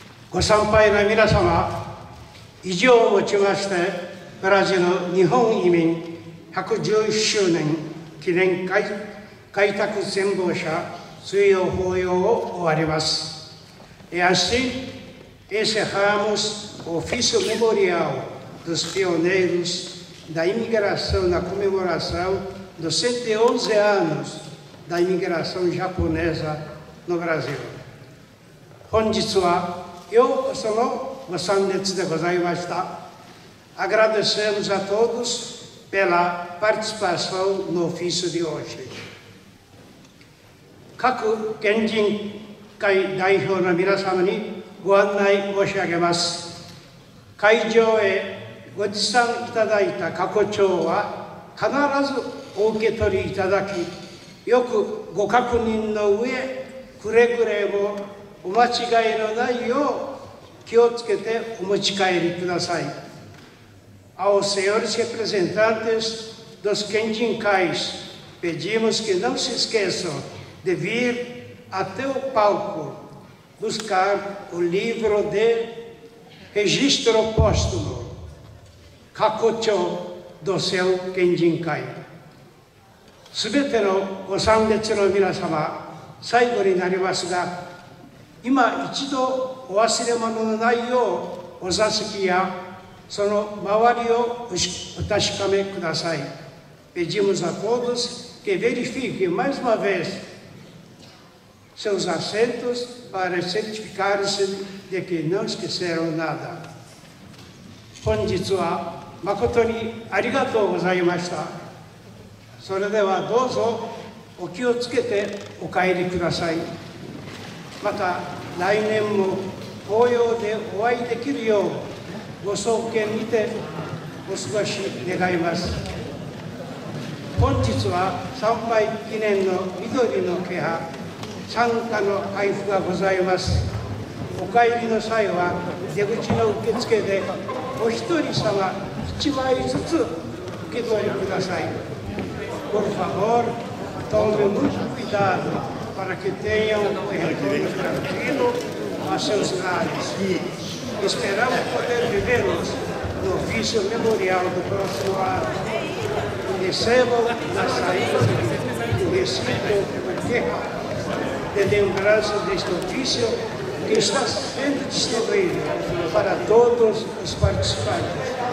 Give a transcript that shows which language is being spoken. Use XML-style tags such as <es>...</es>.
<ja>ご参拝の皆様、以上をもちまして、ブラジル日本移民111周年記念会開拓先鋒者追悼法要を終わります。</ja> <pt>E assim encerramos o ofício memorial dos pioneiros da imigração na comemoração dos 111 anos da imigração japonesa no Brasil.</pt> <ja>本日はようこそのご参列でございました。</ja> <pt>Agradecemos a todos pela participação no ofício de hoje.</pt> <ja>各県人会代表の皆様にご案内申し上げます。会場へご持参いただいた過去帳は必ずお受け取りいただき、よくご確認の上、くれぐれもお間違いのないよう気をつけてお持ち帰りください。</ja> <pt>Aos senhores representantes dos Kenjinkais, pedimos que não se esqueçam de vir até o palco buscar o livro de registro póstumo, Kakucho, do seu Kenjinkai.</pt> <ja>Subete no ご参列の皆様、最後になりますが、今一度お忘れ物のないようお座席やその周りをお確かめください。</ja> <pt>Pedimos a todos que verifiquem mais uma vez seus assentos para certificar-se de que não esqueceram nada.</pt> <ja>本日は誠にありがとうございました。それではどうぞお気をつけてお帰りください。また来年も法要でお会いできるようご尊敬にてお過ごし願います。本日は参拝記念の緑の気派、参加の配布がございます。お帰りの際は出口の受付でお一人様1枚ずつ受け取りください。</ja> <pt>Por favor, tome muito cuidado para que tenham um retorno tranquilo a seus lares. Esperamos poder vê-los no ofício memorial do próximo ano. Recebam na saída do recinto de lembrança deste ofício que está sendo distribuído para todos os participantes.</pt>